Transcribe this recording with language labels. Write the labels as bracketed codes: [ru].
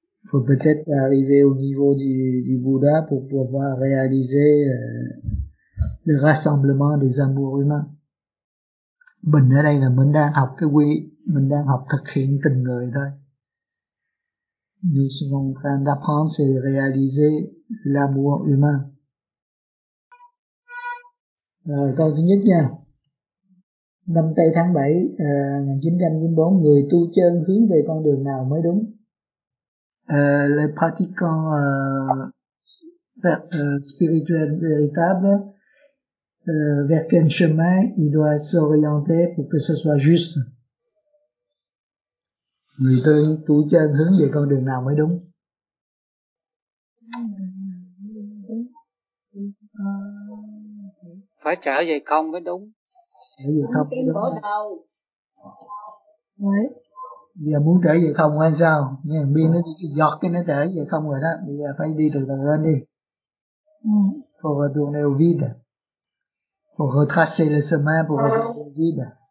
[fr] Faut peut-être arriver au niveau du Bouddha pour pouvoir réaliser le rassemblement des amours humains. [vi] Mình ở đây là mình đang học cái quy, mình đang học thực hiện tình người thôi. [fr] Nous sommes en train d'apprendre et réaliser l'amour humain. [vi] Rồi, câu thứ nhất nha. Năm Tây tháng 7, 1994, người tu chân hướng về con đường nào mới đúng? [fr] Les pratiquants spirituels véritables, vers quel chemin il doit s'orienter pour que ce soit juste? [vi] Người tu chân hướng về con đường nào mới đúng? Phải trở về không mới đúng. Trở về không mới đúng. Đấy. Giờ muốn trở về không hay sao? Nghe thằng Biên nó đi giọt cái nó trở về không rồi đó. Bây giờ phải đi từ từ lên đi. [fr] Faut retourner au vide. Faut retracer le chemin pour retourner au vide.